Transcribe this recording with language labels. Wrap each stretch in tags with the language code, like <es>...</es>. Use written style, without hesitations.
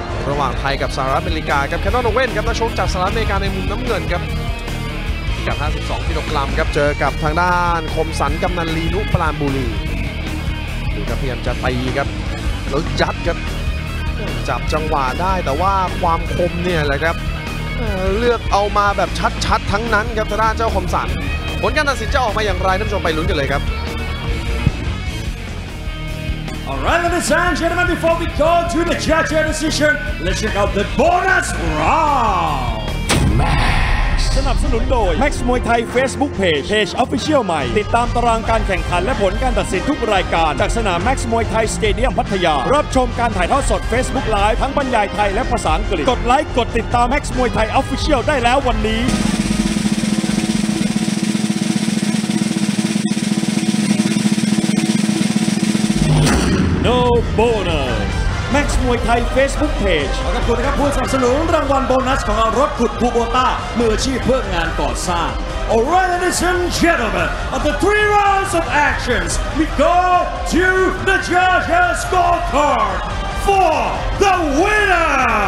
<th>ระหว่างไทยกับสหรัฐอเมริกาครับแคนนอนโนเวนครับนักชกจากสหรัฐอเมริกาในมุมน้ำเงินครับพิกัด52กิโลกรัมครับเจอกับทางด้านคมสันกำนันลีนุปราณบุรีดูครับพยายามจะตีครับแล้วยัดครับจับจังหวะได้แต่ว่าความคมเนี่ยแหละครับเลือกเอามาแบบชัดๆทั้งนั้นครับทางด้านเจ้าคมสันผลการตัดสินจะออกมาอย่างไรท่านผู้ชมไปลุ้นกันเลยครับ</th> <en>Alright ladies and gentlemen before we go to the judge decision let's check out the bonus round</en> <th>สนับสนุนโดย Max มวยไทย Facebook Page Official ใหม่ติดตามตารางการแข่งขันและผลการตัดสินทุกรายการจากสนาม Max มวยไทยสเตเดียมพัทยารับชมการถ่ายทอดสด Facebook Live ทั้งบรรยายไทยและภาษาอังกฤษกดไลค์กดติดตาม Max มวยไทย Official ได้แล้ววันนี้</th> <en>No bonus. Max มวยไทย Facebook page.</en> <th>ขอขอบคุณนะครับผู้สนับสนุนรางวัลโบนัสของรถขุดภูโบต้ามืออาชีพเพื่องานก่อสร้าง</th> <en>Alright ladies and gentlemen, after three rounds of actions, we go to the judges' scorecard for the winner.</en>